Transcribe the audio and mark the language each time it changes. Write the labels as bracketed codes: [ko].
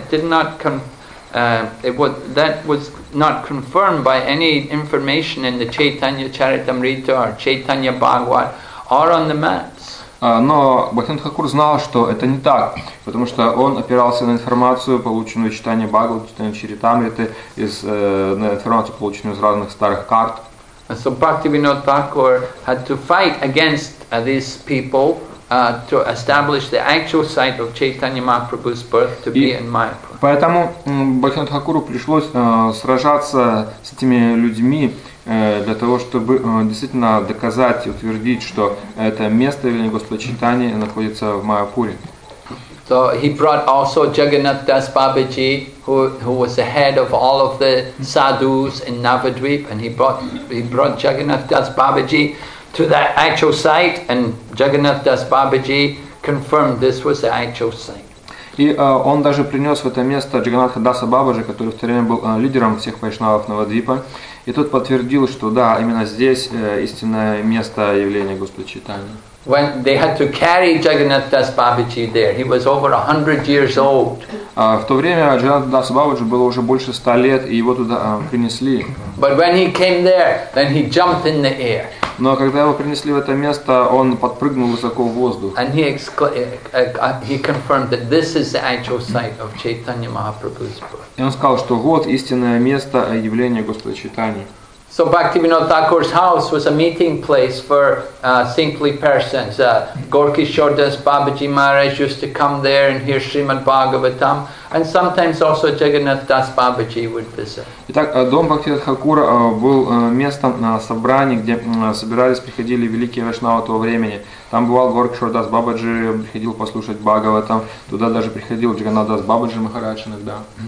[en] That was not confirmed by any information in the Chaitanya Charitamrita or Chaitanya Bhagavat or on the maps. [ru] Но Бхактивинода Тхакур знал, что это не так, потому что он опирался на информацию, полученную из Чайтанья Бхагавата, Чайтанья Чаритамриты, на информацию, полученную из разных старых карт. [en] So Bhaktivinoda Thakur had to fight against these people to establish the actual site of Chaitanya Mahaprabhu's birth to be in Mayapur. [ru] Поэтому Бхактивинода Тхакуру пришлось сражаться с этими людьми для того, чтобы действительно доказать и утвердить, что это место Великого Господа Чайтаньи находится в Майяпуре. [en] So he brought also Jagannath Das Babaji, who was the head of all of the sadhus in Navadvip, and he brought Jagannath Das Babaji to that actual site, and Jagannath Das Babaji confirmed this was the actual site. [ru] И он даже принес в это место Джаганнатха Даса Бабаджи, который в то время был лидером всех вайшнавов Навадвипа, и тот подтвердил, что да, именно здесь истинное место явления Господа Чайтаньи. [en] When they had to carry Jagannath Das Babaji there, he was over 100 years old. [ru] В то время Джагнат Дас Бабаджи было уже больше 100 лет, и его туда принесли. [en] But when he came there, then he jumped in the air. [ru] Но когда его принесли в это место, он подпрыгнул высоко в воздух. [en] And he confirmed that this is the actual site of Chaitanya Mahaprabhu's birth. [ru] И он сказал, что вот истинное место явления Господа Чайтаньи. [en] So Bhaktivinoda Thakur's house was a meeting place for saintly persons. Gaurkishore Das Babaji Maharaj used to come there and hear Srimad Bhagavatam, and sometimes also Jagannath Das Babaji would visit. [ru] Итак, дом Бхактивинода Тхакура был местом собраний, где собирались, приходили великие вайшнавы того времени. Там бывал Gaurkishore Das Babaji, приходил послушать Бхагаватам. Туда даже приходил Джаганнат Дас Бабаджи Махарадж иногда.